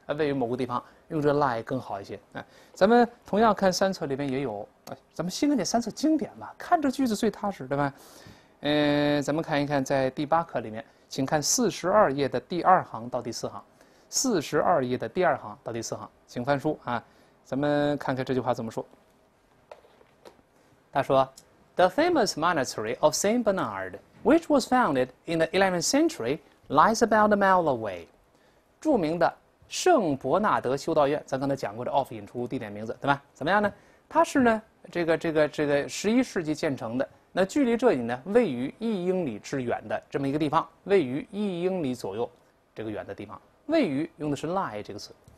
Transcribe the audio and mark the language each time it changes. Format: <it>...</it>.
<zh>位于某个地方，用这 lie 更好一些。哎，咱们同样看三册里面也有，咱们新看点三册经典吧，看这句子最踏实，对吧？咱们看一看，在第八课里面，请看42页的第二行到第四行，42页的第二行到第四行，请翻书啊。咱们看看这句话怎么说。他说：“</zh> <en>The famous monastery of Saint Bernard, which was founded in the 11th century, lies about a mile away。”</en> <zh>著名的圣伯纳德修道院，咱刚才讲过的 off 引出地点名字，对吧？怎么样呢？它是呢，这个11世纪建成的，那距离这里呢，位于1英里之远的这么一个地方，位于1英里左右这个远的地方，位于用的是 lie 这个词。</zh>